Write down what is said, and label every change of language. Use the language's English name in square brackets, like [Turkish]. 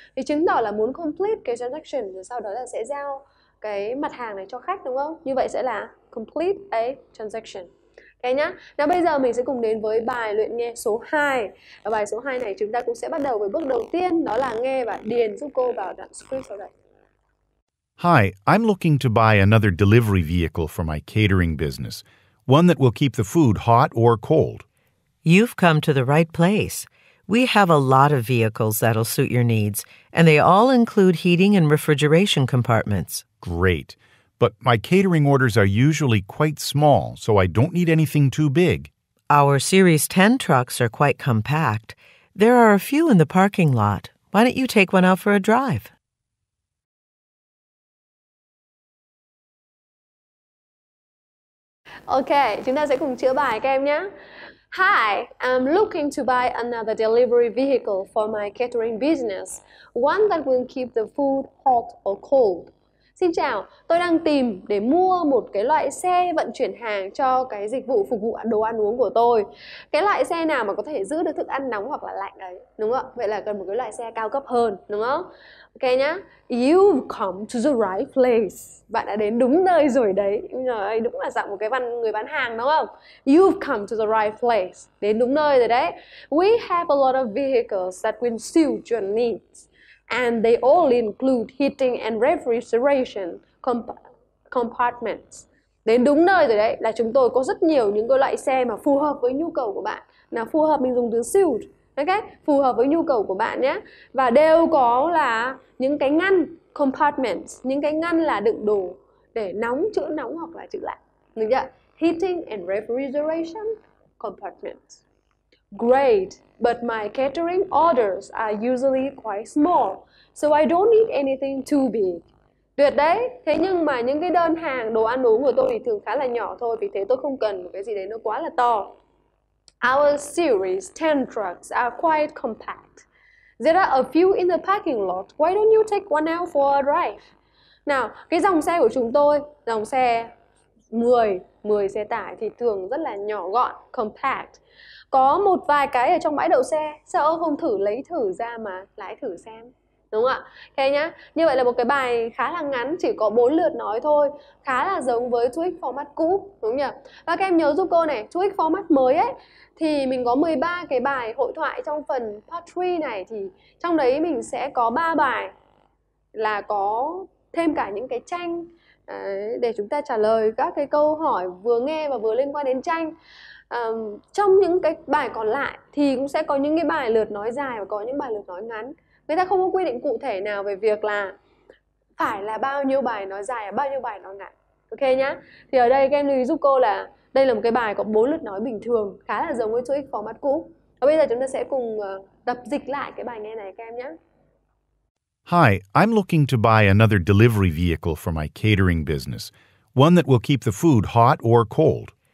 [Vietnamese] Thì chứng tỏ là muốn complete cái transaction. Rồi sau đó là sẽ giao cái mặt hàng này cho khách, đúng không? Như vậy sẽ là [English] complete a transaction. [Vietnamese] Ok nhá. Nào bây giờ mình sẽ cùng đến với bài luyện nghe số 2. Và bài số 2 này chúng ta cũng sẽ bắt đầu với bước đầu tiên. Đó là nghe và điền giúp cô vào đoạn script sau đây. [English] Hi, I'm looking to buy another delivery vehicle for my catering business, one that will keep the food hot or cold. You've come to the right place. We have a lot of vehicles that'll suit your needs, and they all include heating and refrigeration compartments. Great. But my catering orders are usually quite small, so I don't need anything too big. Our Series 10 trucks are quite compact. There are a few in the parking lot. Why don't you take one out for a drive? [Vietnamese] Ok, chúng ta sẽ cùng chữa bài các em nhé. [English] Hi, I'm looking to buy another delivery vehicle for my catering business. One that will keep the food hot or cold. [Vietnamese] Xin chào, tôi đang tìm để mua một cái loại xe vận chuyển hàng cho cái dịch vụ phục vụ đồ ăn uống của tôi. Cái loại xe nào mà có thể giữ được thức ăn nóng hoặc là lạnh đấy, đúng không? Vậy là cần một cái loại xe cao cấp hơn, đúng không? Ok nhá. [English] You've come to the right place. [Vietnamese] Bạn đã đến đúng nơi rồi đấy. Ơi, đúng là giọng một cái người bán hàng đúng không? [English] You've come to the right place. [Vietnamese] Đến đúng nơi rồi đấy. [English] We have a lot of vehicles that will suit your needs. And they all include heating and refrigeration compartments. [Vietnamese] Đến đúng nơi rồi đấy. Là chúng tôi có rất nhiều những cái loại xe mà phù hợp với nhu cầu của bạn. Nào phù hợp mình dùng từ suit. Ok, phù hợp với nhu cầu của bạn nhé. Và đều có là những cái ngăn compartments, những cái ngăn là đựng đồ để nóng, chữ nóng hoặc là chữ lạnh. Được chưa? [English] Heating and refrigeration compartments. Great, but my catering orders are usually quite small, so I don't need anything too big. [Vietnamese] Tuyệt đấy. Thế nhưng mà những cái đơn hàng đồ ăn uống của tôi thì thường khá là nhỏ thôi, vì thế tôi không cần một cái gì đấy nó quá là to. [English] Our series 10 trucks are quite compact. There are a few in the parking lot. Why don't you take one out for a drive? [Vietnamese] Nào, cái dòng xe của chúng tôi, dòng xe 10 xe tải thì thường rất là nhỏ gọn, compact. Có một vài cái ở trong bãi đậu xe, sao ông không thử lấy thử ra mà lái thử xem? Đúng không ạ? Ok nhá. Như vậy là một cái bài khá là ngắn, chỉ có 4 lượt nói thôi. Khá là giống với TOEIC format cũ, đúng nhỉ? Và các em nhớ giúp cô này, TOEIC format mới ấy, thì mình có 13 cái bài hội thoại trong phần part 3 này. Thì trong đấy mình sẽ có 3 bài là có thêm cả những cái tranh để chúng ta trả lời các cái câu hỏi vừa nghe và vừa liên quan đến tranh. Trong những cái bài còn lại thì cũng sẽ có những cái bài lượt nói dài và có những bài lượt nói ngắn. Người ta không có quy định cụ thể nào về việc là phải là bao nhiêu bài nói dài và bao nhiêu bài nói ngắn. Ok nhá. Thì ở đây các em lưu ý giúp cô là đây là một cái bài có 4 lượt nói bình thường, khá là giống với TOEIC format cũ. Và bây giờ chúng ta sẽ cùng tập dịch lại cái bài nghe này các em nhé. [English] Hi, I'm looking to buy another delivery vehicle for my catering business, one that will keep the food hot or cold.